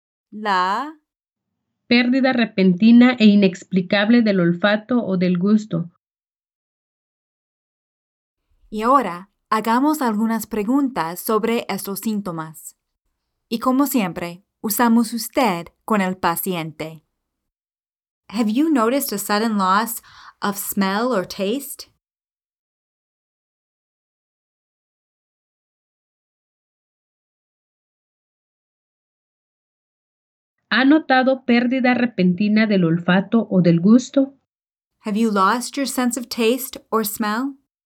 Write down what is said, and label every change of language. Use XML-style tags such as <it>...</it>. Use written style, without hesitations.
<es>La pérdida repentina e inexplicable del olfato o del gusto. Y ahora, hagamos algunas preguntas sobre estos síntomas. Y como siempre, usamos usted con el paciente.</es> <en>Have you noticed a sudden loss of smell or taste?</en> <es>¿Ha notado pérdida repentina del olfato o del gusto?</es> <en>Have you lost your sense of taste or smell?</en>